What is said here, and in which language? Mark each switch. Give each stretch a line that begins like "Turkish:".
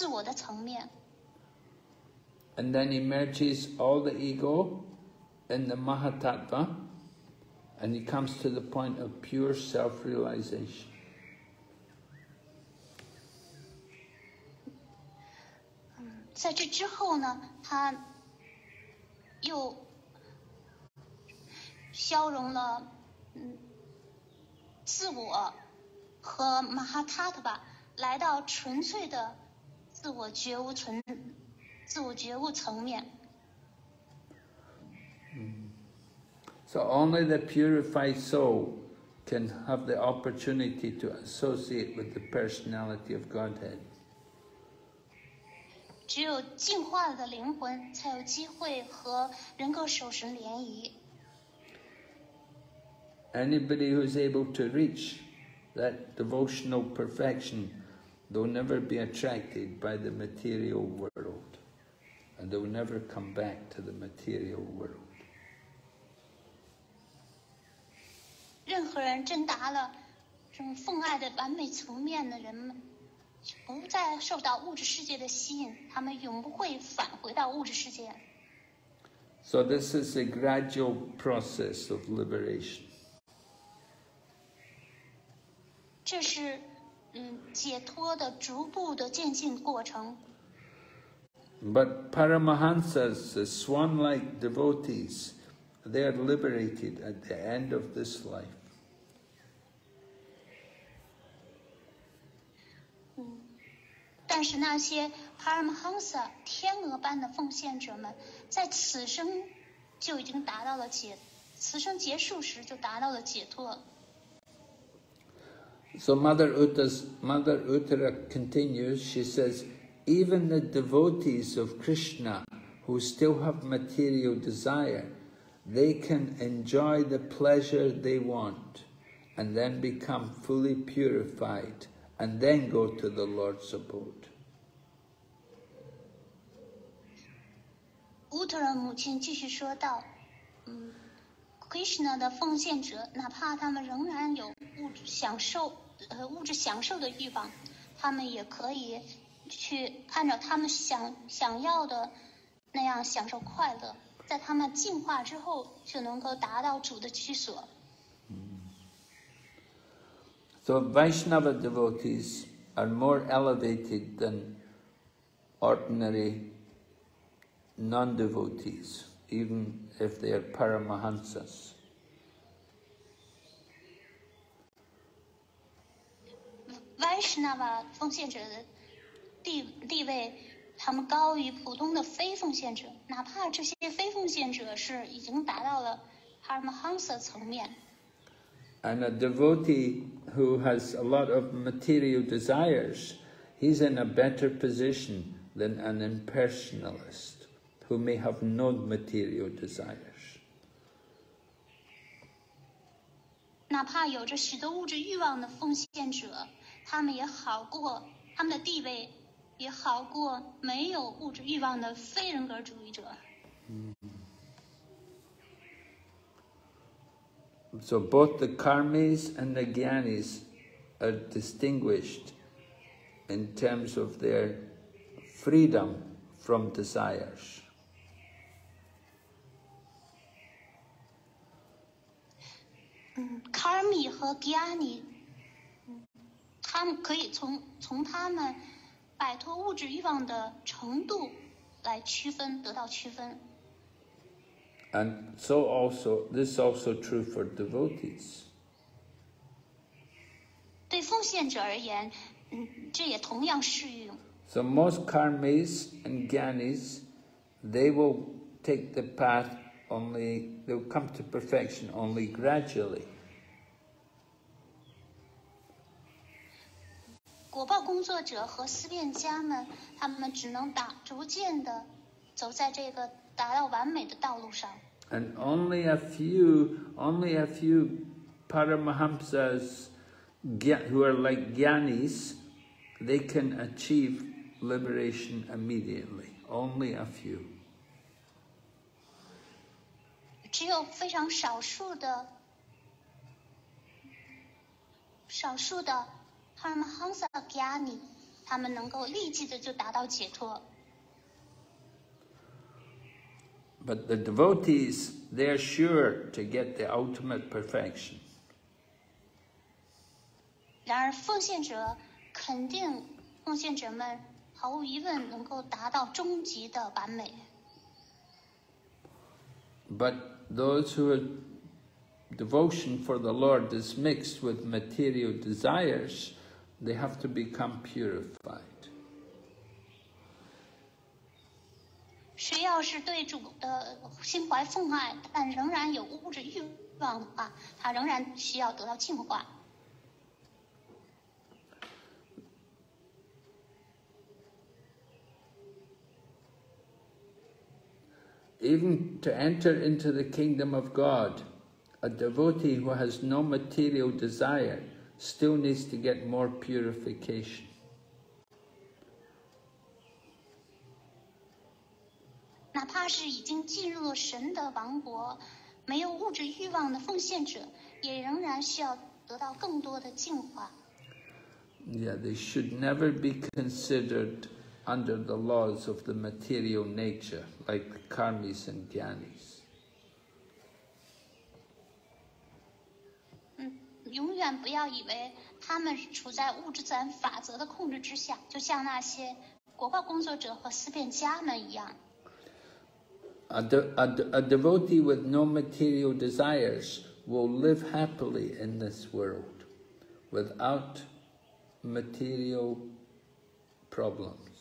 Chinese: 他们能够消融愚昧、激情，他们达到中性的、纯粹的、善良的、自我的层面。
English: And then he merges all the ego in the Mahatattva. And he comes to the point of pure self-realization.
Chinese: 在这之后呢，他又消融了自我和马哈塔特吧，来到纯粹的自我觉悟纯自我觉悟层面。
English: So only the purified soul can have the opportunity to associate with the personality of Godhead.
Chinese: 只有净化的灵魂才有机会和人格守神联谊。
English: Anybody who is able to reach that devotional perfection, they'll never be attracted by the material world, and they'll never come back to the material world.
Chinese: 任何人真达了这种奉爱的完美层面的人们，不再受到物质世界的吸引，他们永不会返回到物质世界。
English: So this is a gradual process of liberation.
Chinese: 这是解脱的逐步的渐进过程。
English: But Paramahansas, the swan-like devotees, they are liberated at the end of this life.
Chinese: 但是那些 Paramahansa 天鹅般的奉献者们，在此生就已经达到了解，此生结束时就达到了解脱。
English: So Mother Uttara continues. She says, even the devotees of Krishna who still have material desire, they can enjoy the pleasure they want, and then become fully purified, and then go to the Lord's abode.
Chinese: 乌特拉母亲继续说道：“Krishna 的奉献者，哪怕他们仍然有物质享受，物质享受的欲望，他们也可以去按照他们想要的那样享受快乐，在他们进化之后，就能够达到主的居所。”
English: So Vaishnava devotees are more elevated than ordinary. Non-devotees, even if they are Paramahansas.
Chinese: Vaishnava 奉献者的地位，他们高于普通的非奉献者。哪怕这些非奉献者是已经达到了 Paramahansa 层面。
English: And a devotee who has a lot of material desires, he's in a better position than an impersonalist. Who may have no material desires.
Chinese: 哪怕有着许多物质欲望的奉献者，他们也好过，他们的地位也好过没有物质欲望的非人格主义者。
English: So both the karmis and the gyanis are distinguished in terms of their freedom from desires.
Chinese: Karmi 和 Gyani 他们可以从他们摆脱物质欲望的程度来区分，得到区分。
English: And so also, this is also true for devotees.
Chinese: 对奉献者而言，这也同样适用。
English: So most Karmis and Gyanis, they will take the path only, they will come to perfection only gradually.
Chinese: 果报工作者和思辨家们，他们只能逐渐地走在这个达到完美的道路上。
English: And only a few Paramahamsas who are like Gyanis, they can achieve liberation immediately. Only a few.
Chinese: 只有非常少数的。 Paramahansa Gyani, 他们能够立即的就达到解脱。
English: But the devotees, they are sure to get the ultimate perfection.
Chinese: 然而奉献者们毫无疑问能够达到终极的完美。
English: But those who have devotion for the Lord is mixed with material desires, they have to become purified.
Chinese: 谁要是对主的心怀奉爱，但仍然有物质欲望的话，他仍然需要得到净化。
English: Even to enter into the kingdom of God, a devotee who has no material desire still needs to get more purification.
Chinese: 哪怕是已经进入了神的王国，没有物质欲望的奉献者，也仍然需要得到更多的净化。
English: Yeah, they should never be considered under the laws of the material nature, like the karmis and jnanis.
Chinese: 永远不要以为他们处在物质自然法则的控制之下，就像那些国报工作者和思辨家们一样。
English: A devotee with no material desires will live happily in this world without material problems.